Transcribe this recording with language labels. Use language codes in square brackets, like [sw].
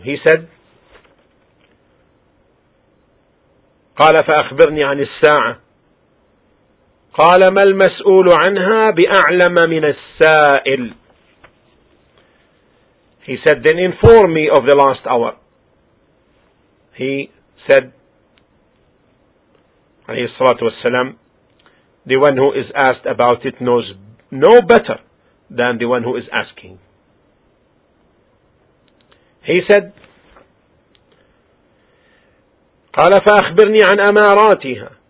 [en] He said, [ar] قال فأخبرني عن الساعة. قال ما المسؤول عنها بأعلم من السائل. [en] He said, then inform me of the last hour. He said, [ar] عليه الصلاة والسلام, [en] the one who is asked about it knows no better than the one who is asking. He said, [ar] قال فأخبرني عن أماراتها.